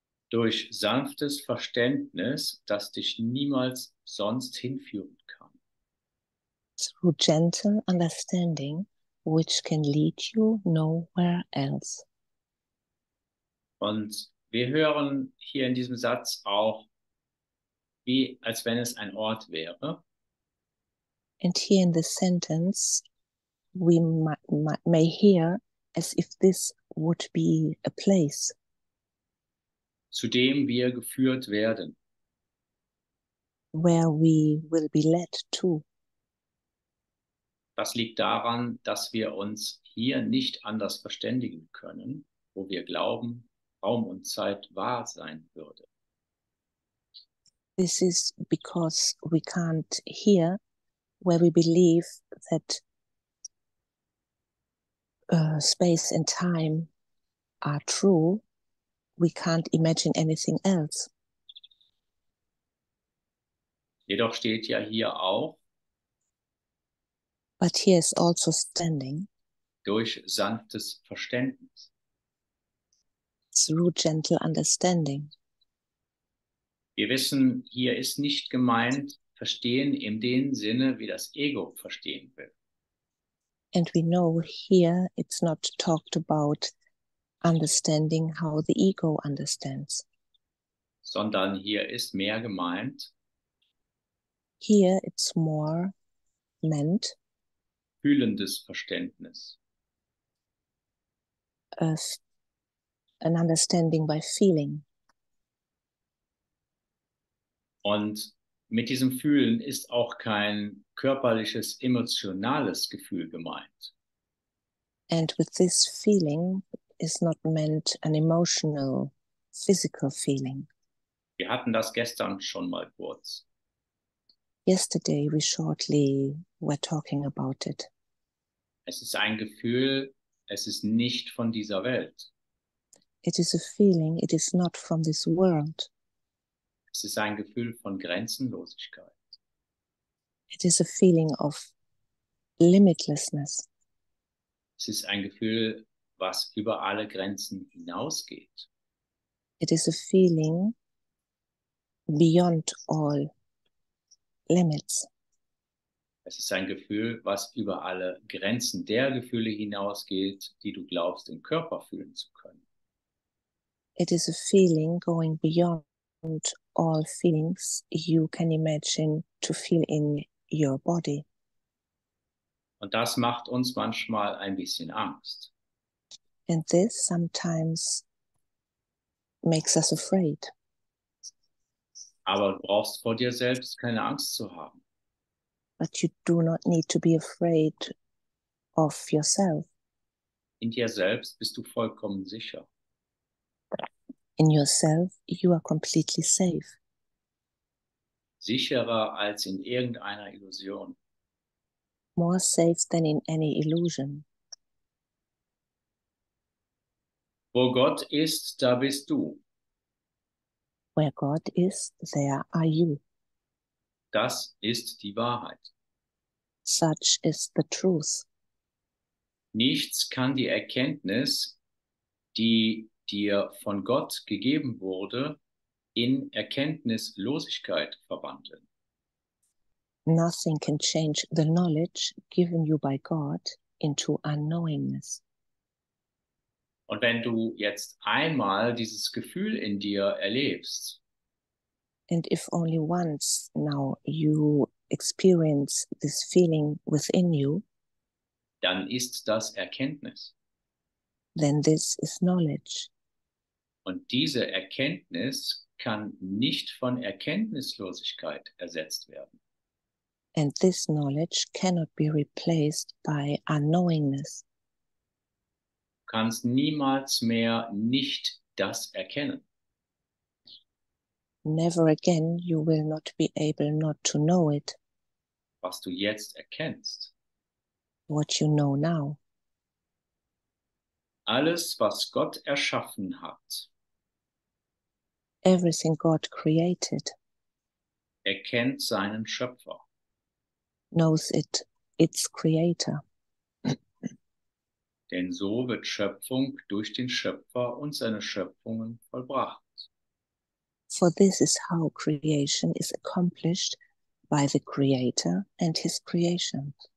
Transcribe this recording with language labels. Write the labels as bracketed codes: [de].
[de] Durch sanftes Verständnis, das dich niemals sonst hinführen kann. [en] Through gentle understanding, which can lead you nowhere else. [de] Und wir hören hier in diesem Satz auch, wie als wenn es ein Ort wäre. [en] And here in the sentence, we may hear as if this would be a place. [de] Zu dem wir geführt werden. [en] Where we will be led to. [de] Das liegt daran, dass wir uns hier nicht anders verständigen können, wo wir glauben, Raum und Zeit wahr sein würde. [en] This is because we can't hear where we believe that space and time are true, we can't imagine anything else. [de] Jedoch steht ja hier auch, [en] but here is also standing, [de] durch sanftes Verständnis, [en] through gentle understanding. [de] Wir wissen, hier ist nicht gemeint, verstehen in dem Sinne, wie das Ego verstehen will. [en] And we know here it's not talked about understanding how the ego understands. [de] Sondern hier ist mehr gemeint. [en] Here it's more meant. [de] Fühlendes Verständnis. [en] An understanding by feeling. [de] Und mit diesem Fühlen ist auch kein körperliches, emotionales Gefühl gemeint. [en] And with this feeling is not meant an emotional, physical feeling. [de] Wir hatten das gestern schon mal kurz. [en] Yesterday we shortly were talking about it. [de] Es ist ein Gefühl, es ist nicht von dieser Welt. [en] It is a feeling, it is not from this world. [de] Es ist ein Gefühl von Grenzenlosigkeit. [en] It is a feeling of limitlessness. [de] Es ist ein Gefühl, was über alle Grenzen hinausgeht. [en] It is a feeling beyond all limits. [de] Es ist ein Gefühl, was über alle Grenzen der Gefühle hinausgeht, die du glaubst, im Körper fühlen zu können. [en] It is a feeling going beyond and all feelings you can imagine to feel in your body. [de] Und das macht uns manchmal ein bisschen Angst. [en] And this sometimes makes us afraid. [de] Aber du brauchst vor dir selbst keine Angst zu haben. [en] But you do not need to be afraid of yourself. [de] In dir selbst bist du vollkommen sicher. [en] In yourself, you are completely safe. [de] Sicherer als in irgendeiner Illusion. [en] More safe than in any illusion. [de] Wo Gott ist, da bist du. [en] Where God is, there are you. [de] Das ist die Wahrheit. [en] Such is the truth. [de] Nichts kann die Erkenntnis, die dir von Gott gegeben wurde, in Erkenntnislosigkeit verwandeln. [en] Nothing can change the knowledge given you by God into unknowingness. [de] Und wenn du jetzt einmal dieses Gefühl in dir erlebst, [en] and if only once now you experience this feeling within you, [de] dann ist das Erkenntnis. [en] Then this is knowledge. [de] Und diese Erkenntnis kann nicht von Erkenntnislosigkeit ersetzt werden. [en] And this knowledge cannot be replaced by unknowingness. [de] Du kannst niemals mehr nicht das erkennen. [en] Never again you will not be able not to know it. [de] Was du jetzt erkennst. [en] What you know now. [de] Alles, was Gott erschaffen hat. [en] Everything God created. [de] Erkennt seinen Schöpfer. [en] Knows it, its creator. [de] Denn so wird Schöpfung durch den Schöpfer und seine Schöpfungen vollbracht. [en] For this is how creation is accomplished by the creator and his creation.